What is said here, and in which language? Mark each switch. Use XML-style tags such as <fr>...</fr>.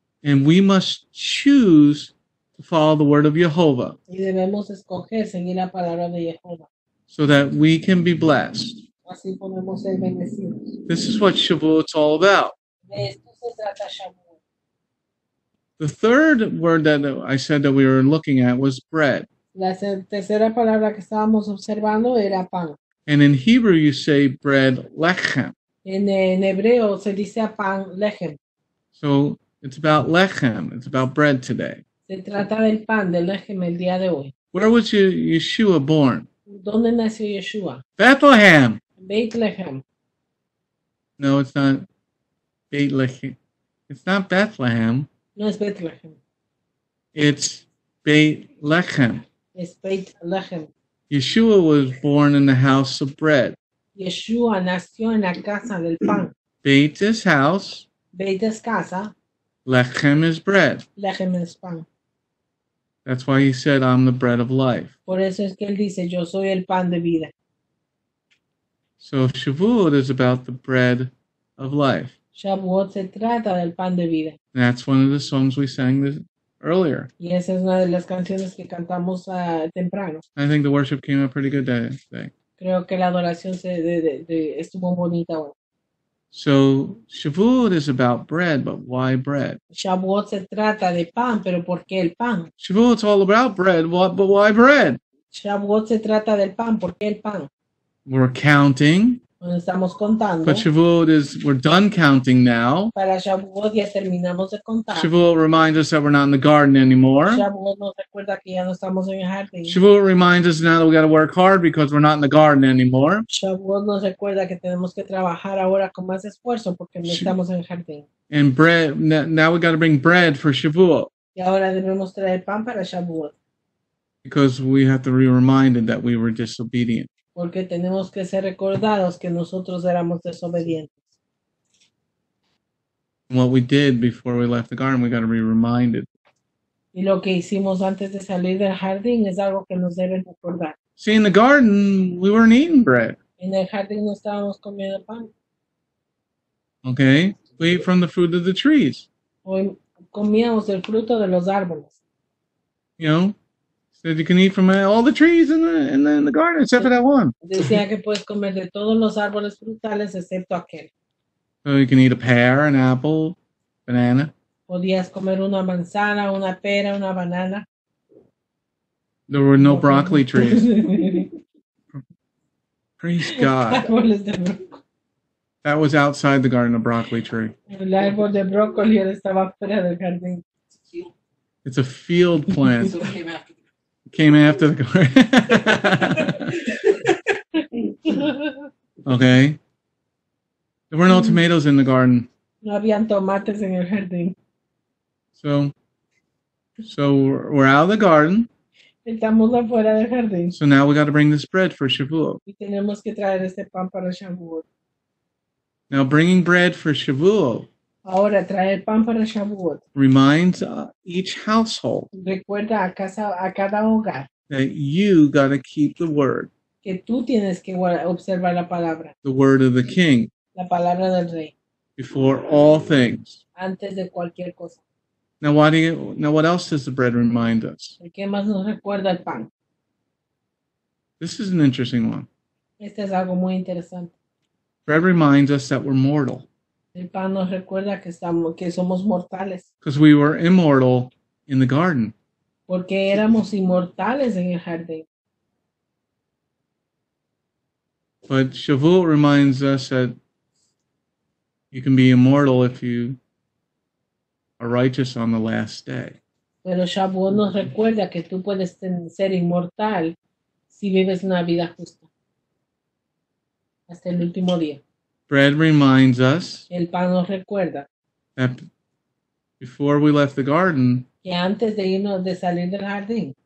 <en>And we must choose to follow the word of Yehovah.</en> <es>Y debemos escoger seguir la palabra de Yehovah.</es> <en>So that we can be blessed.</en> <es>Así podemos ser bendecidos.</es> <en>This is what Shavuot's all about.</en> <es>De esto se trata Shavuot.</es> <en>The third word that I said that we were looking at was bread.</en> <es>La tercera palabra que estábamos observando era pan.</es> <en>And in Hebrew you say bread lechem.</en> <es>En hebreo se dice pan lechem.</es> <en>So it's about lechem. It's about bread today.</en> <es>Se trata del pan, del lechem el día de hoy.</es> <en>Where was Yeshua born?</en> <es>¿Dónde nació Yeshua?</es> <en>Bethlehem.</en> <es>Bethlehem.</es> <en>No, it's not Bethlehem. It's not Bethlehem.</en> <es>No es Bethlehem.</es> <en>It's Bethlehem.</en> <es>Es Beit Lechem.</es> <en>Yeshua was born in the house of bread.</en> <es>Yeshua nació en la casa del pan.</es> <en>Beit is house.</en> <es>Beit es casa.</es> <en>Lechem is bread.</en> <es>Lechem es pan.</es> <en>That's why he said, I'm the bread of life.</en> <es>Por eso es que él dice, yo soy el pan de vida.</es> <en>So Shavuot is about the bread of life.</en> <es>Shavuot se trata del pan de vida.</es> <en>And that's one of the songs we sang this earlier.</en> <es>Y esa es una de las canciones que cantamos temprano.</es> <en>I think the worship came out pretty good today.</en> <es>Creo que la adoración estuvo bonita hoy.</es> <en>So Shavuot is about bread, but why bread?</en> <es>Shavuot se trata de pan, pero ¿por qué el pan?</es> <en>Shavuot's all about bread, but why bread?</en> <es>Shavuot se trata del pan, ¿por qué el pan?</es> <en>We're counting.</en> <es>Estamos contando.</es> <en>But Shavuot is, we're done counting now.</en> <es>Para Shavuot ya terminamos de contar.</es> <en>Shavuot reminds us that we're not in the garden anymore.</en> <es>Shavuot nos recuerda que ya no estamos en el jardín.</es> <en>Shavuot reminds us now that we got to work hard because we're not in the garden anymore.</en> <es>Shavuot nos recuerda que tenemos que trabajar ahora con más esfuerzo porque no estamos en el jardín.</es> <en>And bread, now we got to bring bread for Shavuot.</en> <es>Y ahora debemos traer pan para Shavuot.</es> <en>Because we have to be reminded that we were disobedient.</en> <es>Porque tenemos que ser recordados que nosotros éramos desobedientes.</es> <en>What we did before we left the garden, we got to be reminded.</en> <es>Y lo que hicimos antes de salir del jardín es algo que nos deben recordar.</es> <en>See, in the garden, we weren't eating bread.</en> <es>En el jardín no estábamos comiendo pan.</es> <en>Okay, we ate from the fruit of the trees.</en> <es>Hoy comíamos el fruto de los árboles.</es> <en>You know? Said you can eat from all the trees in the garden, except for that one.</en> <es>Decía que puedes comer de todos los árboles frutales, excepto aquel.</es> <en>So you can eat a pear, an apple, banana.</en> <es>Podías comer una manzana, una pera, una banana.</es> <en>There were no broccoli trees. Praise God. That was outside the garden of broccoli tree. It's a field plant. Came after the garden. Okay. There were no tomatoes in the garden.</en> <es>No habían tomates en el jardín.</es> <en>So we're out of the garden.</en> <es>Estamos afuera del jardín.</es> <en>So now we got to bring this bread for Shavuot.</en> <es>Y tenemos que traer este pan para Shavuot.</es> <en>Now bringing bread for Shavuot.</en> <es>Ahora traer pan para Shavuot.</es> <en>Reminds each household.</en> <es>Recuerda a casa, a cada hogar.</es> <en>That you got to keep the word.</en> <es>Que tú tienes que observar la palabra.</es> <en>The word of the king.</en> <es>La palabra del rey.</es> <en>Before all things.</en> <es>Antes de cualquier cosa.</es> <en>Now, what else does the bread remind us?</en> <es>¿Qué más nos recuerda el pan?</es> <en>This is an interesting one.</en> <es>Este es algo muy interesante.</es> <en>Bread reminds us that we're mortal.</en> <es>El pan nos recuerda que estamos, que somos mortales.</es> <en>Because we were immortal in the garden.</en> <es>Porque éramos inmortales en el jardín.</es> <en>But Shavuot reminds us that you can be immortal if you are righteous on the last day.</en> <es>Pero Shavuot nos recuerda que tú puedes ser inmortal si vives una vida justa hasta el último día.</es> <en>Bread reminds us.</en> <es>El pan nos recuerda.</es> <en>That before we left the garden.</en> <es>Que antes de irnos, de salir del jardín.</es>